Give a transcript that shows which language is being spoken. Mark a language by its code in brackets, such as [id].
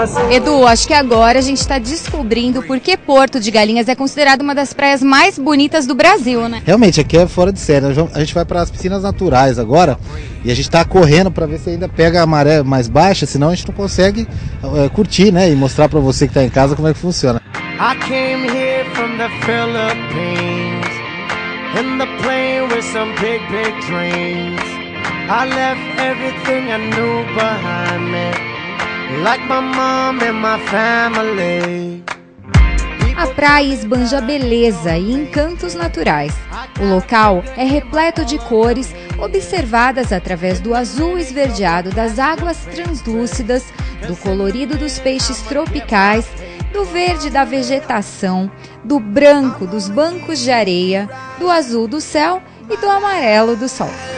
[pt] Edu, acho que agora a gente está descobrindo por que Porto de Galinhas é considerado uma das praias mais bonitas do Brasil, né? Realmente, aqui é fora de série. A gente vai para as piscinas naturais agora e a gente está correndo para ver se ainda pega a maré mais baixa, senão a gente não consegue curtir, né? E mostrar para você que está em casa como é que funciona. [en] I came here from the Philippines in the plane with some big, big dreams. I left everything I knew behind me. Like my mom and my family. [pt] A praia esbanja beleza e encantos naturais. O local é repleto de cores observadas através do azul esverdeado das águas translúcidas, do colorido dos peixes tropicais, do verde da vegetação, do branco dos bancos de areia, do azul do céu e do amarelo do sol.